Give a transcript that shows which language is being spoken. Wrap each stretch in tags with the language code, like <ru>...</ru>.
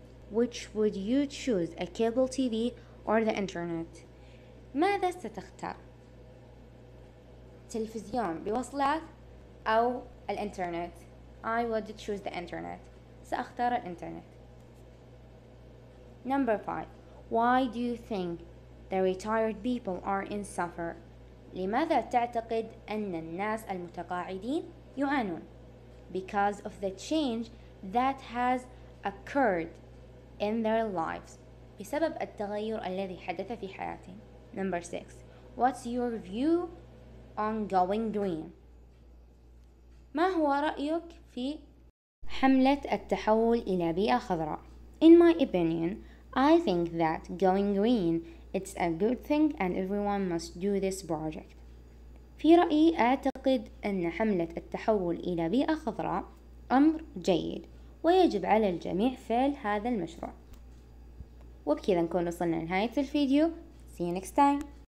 <en>Which would you choose, a cable TV or the internet?</en> <ar>ماذا ستختار؟ تلفزيون بوصلات أو الانترنت؟</ar> <en>I would choose the internet.</en> <ar>سأختار الإنترنت.</ar> <en>Number 5. Why do you think the retired people are in suffer?</en> <ar>لماذا تعتقد أن الناس المتقاعدين يعانون؟</ar> <en>Because of the change that has occurred in their lives.</en> <ar>بسبب التغير الذي حدث في حياتهم.</ar> <en>Number 6. What's your view on going green?</en> <ar>ما هو رأيك في حملة التحول إلى بيئة خضراء؟</ar> <en>In my opinion, I think that going green it's a good thing and everyone must do this project.</en> <ar>في رأيي أعتقد أن حملة التحول إلى بيئة خضراء أمر جيد ويجب على الجميع فعل هذا المشروع. وبكذا نكون وصلنا لنهاية الفيديو.</ar> <en>See you next time.</en>